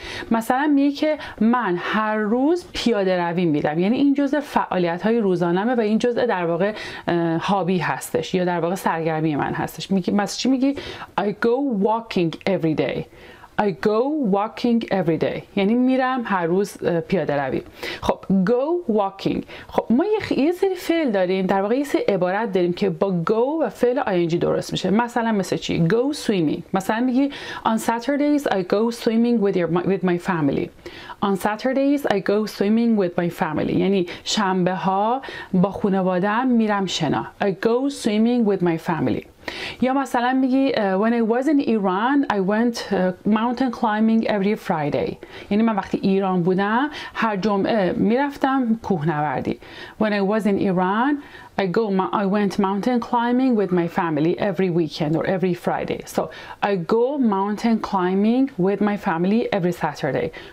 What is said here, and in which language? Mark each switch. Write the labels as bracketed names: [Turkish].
[Persian] مثلا میگه که من هر روز پیاده روی میرم، یعنی این جزء فعالیت های روزانمه و این جزء در واقع هابی هستش یا در واقع سرگرمی من هستش. میگی پس چی؟ میگی [English] I go walking every day. I go walking every day. [Persian] یعنی میرم هر روز پیاده روی. [English] خب go walking. [Persian] خب ما یه سری فعل داریم، در واقع یه سری عبارت داریم که با go و فعل ing درست میشه. مثلا مثل چی؟ go swimming. مثلا میگی [English] on Saturdays I go swimming with my family. On Saturdays I go swimming with my family. [Persian] یعنی شنبه ها با خانواده ام میرم شنا. [English] I go swimming with my family. [Persian] یا مثلا میگی [English] when I was in Iran I went mountain climbing every Friday. [Persian] یعنی من وقتی ایران بودم هر جمعه میرفتم کوهنوردی. [English] When I was in Iran I went mountain climbing with my family every weekend or every Friday. So I go mountain climbing with my family every Saturday.